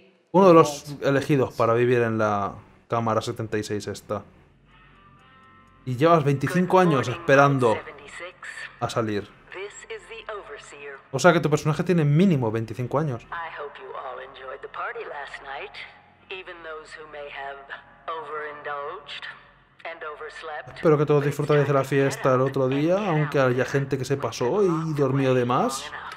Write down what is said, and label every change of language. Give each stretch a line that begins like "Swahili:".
Spanish: Uno de los elegidos para vivir en la Cámara 76 esta. Y llevas 25 años esperando a salir. O sea que tu personaje tiene mínimo 25 años.
English: I hope you all enjoyed the party last night, even those who may have overindulged and overslept.
Spanish: Espero que todos disfrutéis de la fiesta el otro día, aunque haya gente que se pasó y durmió de más.